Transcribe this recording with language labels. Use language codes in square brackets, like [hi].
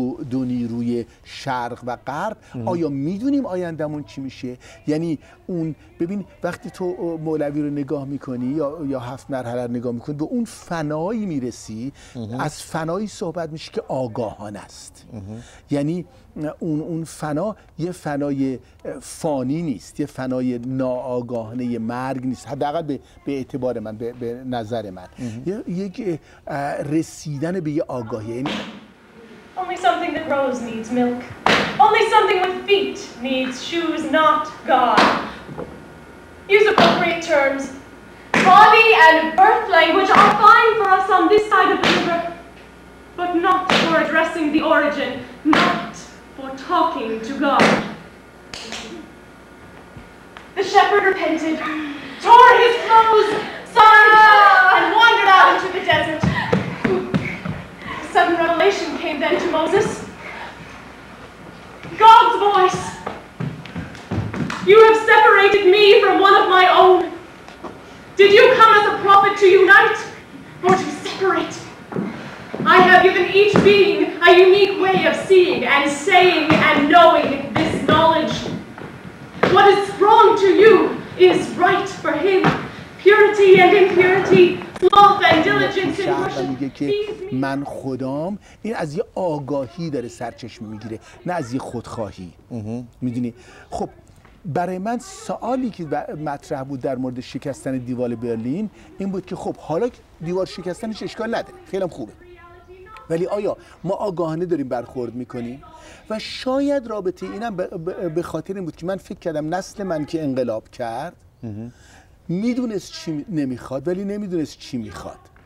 [fa] دو نیروی شرق و غرب، آیا میدونیم آیندهمون چی میشه؟ یعنی اون ببین وقتی تو مولوی رو نگاه میکنی یا هفت مرحله رو نگاه میکنی به اون فنایی میرسی، از فنایی صحبت میشه که آگاهانه است. یعنی اون فنا یه فنای فانی نیست، یه فنای ناآگاهانه مرگ نیست، حداقل به اعتبار من، به نظر من یک رسیدن به یه آگاهی. [en] Only something that grows needs milk. Only something with feet needs shoes, not God. Use appropriate terms. Body and birth language are fine for us on this side of the river, but not for addressing the origin, not for talking to God. The shepherd repented, tore his clothes, sighed, and wandered out into the desert. A sudden revelation came then to Moses. God's voice. You have separated me from one of my own. Did you come as a prophet to unite or to separate? I have given each being a unique way of seeing and saying and knowing this knowledge. What is wrong to you is right for him. Purity and impurity, sloth and diligence in worship. [fa] میگه که من خدام. این از یه آگاهی داره سرچشمه میگیره، نه از یه خودخواهی. میدونی؟ خب برای من سوالی که مطرح بود در مورد شکستن دیوار برلین این بود که خب حالا دیوار شکستنش اشکال نداره، خیلی خوبه، ولی آیا ما آگاهانه داریم برخورد میکنیم؟ و شاید رابطه اینم به خاطر این بود که من فکر کردم نسل من که انقلاب کرد میدونست چی نمیخواد ولی نمیدونست چی میخواد.